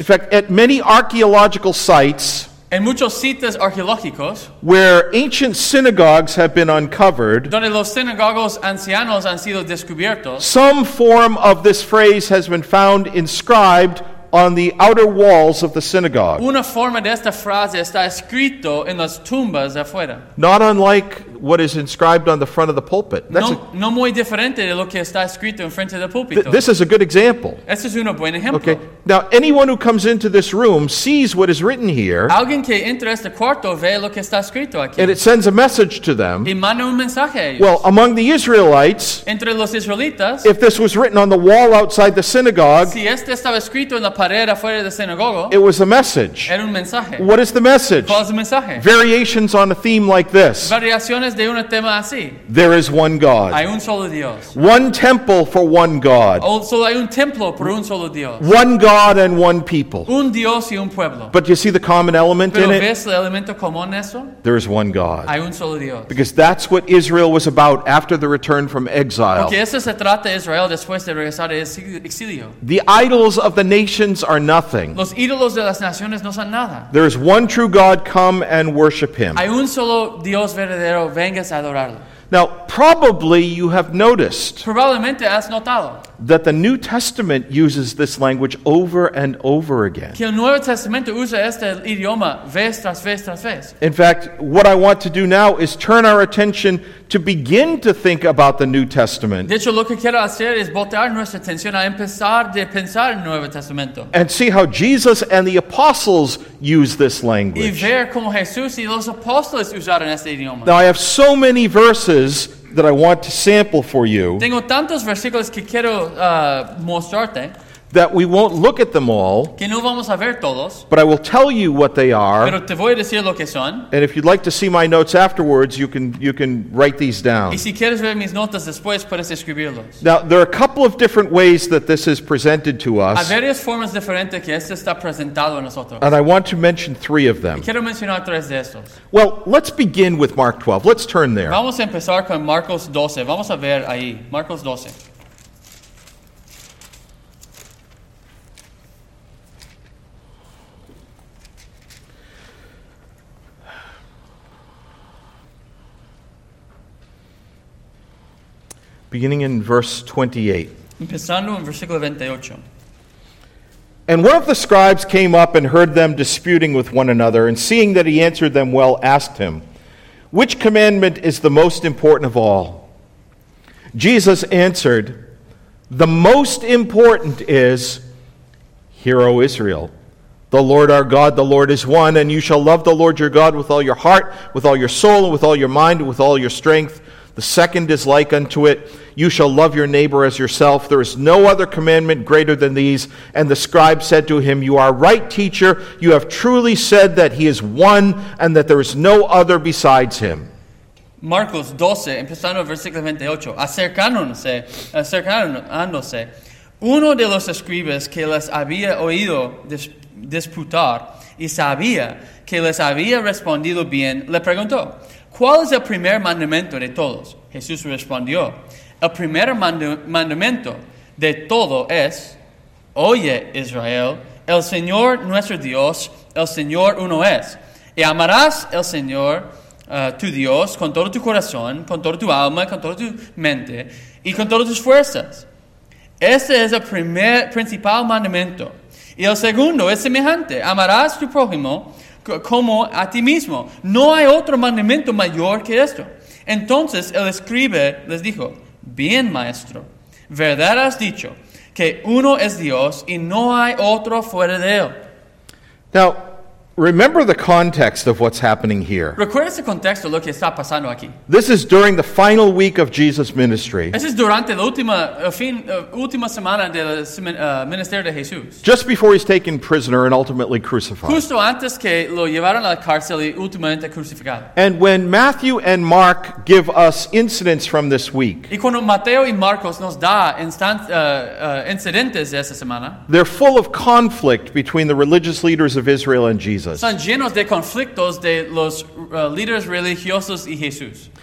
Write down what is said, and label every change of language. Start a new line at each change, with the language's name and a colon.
English: In fact, at many archaeological sites,
Spanish: en muchos sitios arqueológicos,
English: where ancient synagogues have been uncovered,
Spanish: donde los sinagogos ancianos han sido descubiertos,
English: some form of this phrase has been found inscribed on the outer walls of the synagogue.
Spanish: Una forma de esta frase está escrito en las tumbas afuera.
English: Not unlike what is inscribed on the front of the pulpit.
Spanish: No muy diferente de lo que está escrito en frente del púlpito.
English: This is a good example.
Spanish: Este es un buen ejemplo.
English: Okay. Now, anyone who comes into this room sees what is written here.
Spanish: Alguien que entra a este cuarto ve lo que está escrito aquí.
English: And it sends a message to them.
Spanish: Y manda un mensaje a ellos.
English: Well, among the Israelites,
Spanish: entre los israelitas,
English: if this was written on the wall outside the synagogue,
Spanish: si este estaba escrito en la pared afuera de la sinagoga,
English: it was a message.
Spanish: Era un mensaje.
English: What is the message?
Spanish: ¿Cuál es el mensaje?
English: Variations on a theme like this.
Spanish: Variaciones de un tema así.
English: There is one God.
Spanish: Hay un solo Dios.
English: One temple for one God.
Spanish: Also, hay un templo por un solo Dios.
English: One God and one people.
Spanish: Un Dios y un pueblo.
English: But you see the common element
Spanish: pero
English: in it?
Spanish: ¿Ves el elemento común eso?
English: There is one God.
Spanish: Hay un solo Dios.
English: Because that's what Israel was about after the return from exile.
Spanish: Porque eso se trata Israel después de regresar de exilio.
English: The idols of the nations are nothing.
Spanish: Los ídolos de las naciones no son nada.
English: There is one true God, come and worship Him.
Spanish: Hay un solo Dios verdadero.
English: Now, probably you have noticed
Spanish: probablemente has notado
English: that the New Testament uses this language over and over again.
Spanish: Que el Nuevo Testamento usa este idioma vez tras vez tras vez.
English: In fact, what I want to do now is turn our attention to begin to think about the New Testament.
Spanish: De hecho, lo que quiero hacer es voltear nuestra atención a empezar de pensar en el Nuevo Testamento.
English: And see how Jesus and the apostles use this language.
Spanish: Y ver cómo Jesús y los apóstoles usaron este idioma.
English: Now, I have so many verses that I want to sample for you.
Spanish: Tengo tantos versículos que quiero mostrarte.
English: That we won't look at them all.
Spanish: Que no vamos a ver todos.
English: But I will tell you what they are.
Spanish: Pero te voy a decir lo que son.
English: And if you'd like to see my notes afterwards, you can write these down.
Spanish: Y si quieres ver mis notas después, puedes escribirlos.
English: Now, there are a couple of different ways that this is presented to us.
Spanish: Hay varias formas diferentes que esto está presentado a nosotros.
English: And I want to mention three of them.
Spanish: Y quiero mencionar tres de estos.
English: Well, let's begin with Mark 12. Let's turn there.
Spanish: Vamos a empezar con Marcos 12. Vamos a ver ahí. Marcos 12.
English: Beginning in verse 28.
Spanish: Empezando en versículo 28.
English: And one of the scribes came up and heard them disputing with one another, and seeing that he answered them well, asked him, "Which commandment is the most important of all?" Jesus answered, "The most important is, 'Hear, O Israel, the Lord our God, the Lord is one, and you shall love the Lord your God with all your heart, with all your soul, and with all your mind, and with all your strength. The second is like unto it, you shall love your neighbor as yourself. There is no other commandment greater than these.' And the scribe said to him, 'You are right, teacher. You have truly said that he is one and that there is no other besides him.'"
Spanish: Marcos 12, empezando versículo 28. Acercándose, uno de los escribas que les había oído disputar y sabía que les había respondido bien, le preguntó, "¿Cuál es el primer mandamiento de todos?" Jesús respondió, "El primer mandamiento de todo es, 'Oye, Israel, el Señor nuestro Dios, el Señor uno es. Y amarás al Señor, tu Dios, con todo tu corazón, con toda tu alma, con toda tu mente y con todas tus fuerzas. Este es el primer principal mandamiento. Y el segundo es semejante, amarás tu prójimo como a ti mismo. No hay otro mandamiento mayor que esto." Entonces el escriba les dijo, "Bien, maestro, verdad has dicho, que uno es Dios y no hay otro fuera de él."
English: Now, remember the context of what's happening here.
Spanish: ¿Recuerdas el contexto de lo que está pasando aquí?
English: This is during the final week of Jesus' ministry.
Spanish: Este es durante la última semana del ministerio de Jesús.
English: Just before he's taken prisoner and ultimately crucified.
Spanish: Justo antes que lo llevaron a la cárcel y últimamente crucificado.
English: And when Matthew and Mark give us incidents from this week.
Spanish: Y cuando Mateo y Marcos nos da incidentes de esta semana.
English: They're full of conflict between the religious leaders of Israel and Jesus.
Spanish: Están llenos de conflictos de los líderes religiosos y Jesús.